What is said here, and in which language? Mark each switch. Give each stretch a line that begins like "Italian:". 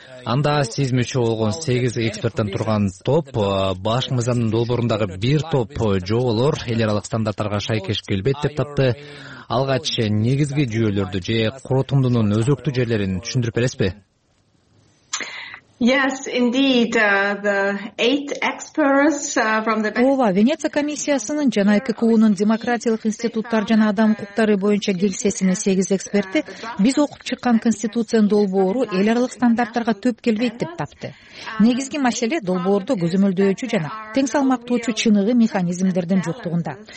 Kyrgyz: Анда сиз мүчө болгон 8 эксперттен турган топ баш мыйзамдын долбоорундагы бир топ жоболор эл аралык стандарттарга шайкеш келбейт деп тапты. Алгач негизги жүйөлөрдү же корутундунун өзөктүү жерлерин түшүндүрүп бересизби?
English: Yes, indeed. The eight experts from the
Kyrgyz: Ова Венеция комиссиясынын жана ККУ-нун демократиялык институттар жана адам укуктары боюнча кеңсесинин 8 эксперти биз окуп чыккан конституциянын долбоору эл аралык стандарттарга төп келбейт деп тапты. Негизги маселе долбоордо көзөмөлдөөчү жана тең салмактуучу чыныгы механизмдердин жоктугунда.